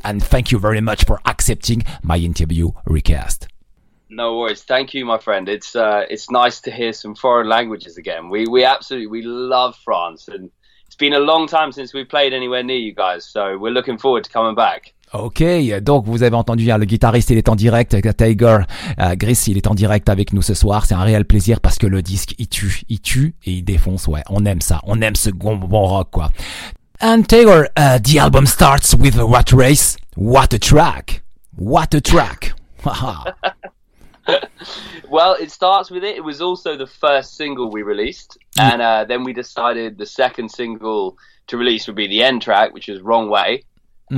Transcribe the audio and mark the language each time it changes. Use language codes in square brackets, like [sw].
[en] And thank you very much for accepting my interview request. No worries. Thank you, my friend. It's nice to hear some foreign languages again. We absolutely love France, and it's been a long time since we've played anywhere near you guys, so we're looking forward to coming back. [fr] Ok, donc vous avez entendu, hein, le guitariste, il est en direct, Tagor Gris, il est en direct avec nous ce soir. C'est un réel plaisir parce que le disque, il tue et il défonce. Ouais, on aime ça, on aime ce bon rock, quoi. [en] And Tagor, the album starts with a Rat Race. What a track! What a track! Well, it starts with it. It was also the first single we released. And then we decided the second single to release would be the end track, which is Wrong Way. Mm-hmm.